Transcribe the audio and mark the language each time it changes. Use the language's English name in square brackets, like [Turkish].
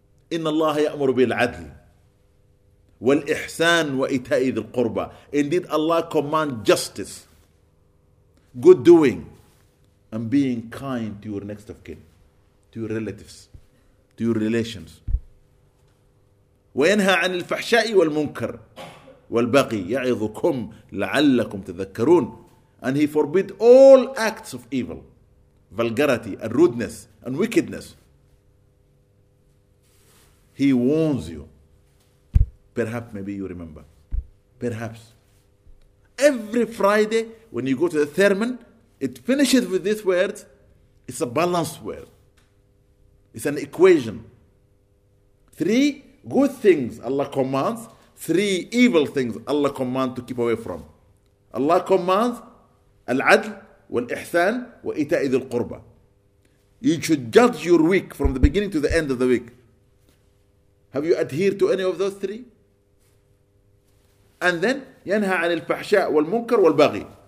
[Arabic] إِنَّ اللَّهَ يَأْمُرُ بِالْعَدْلِ وَالْإِحْسَانِ وَإِتَاءِ ذِي الْقُرْبَى. [English] Indeed, Allah commands justice, good doing, and being kind to your next of kin. To your relatives, to your relations. [Arabic] وينهى عن الفحشاء والمنكر والبغي يعظكم لعلكم تذكرون. [English] And he forbid all acts of evil, vulgarity and rudeness and wickedness. He warns you. Perhaps maybe you remember. Perhaps. Every Friday when you go to the sermon, it finishes with this word. It's a balanced word. It's an equation. Three good things Allah commands, three evil things Allah commands to keep away from. Allah commands al-adl, wal-ihsan, wa ita'i dhul-qurba. You should judge your week from the beginning to the end of the week. Have you adhered to any of those three? And then [Arabic] ينهى عن الفحشاء والمنكر والبغي.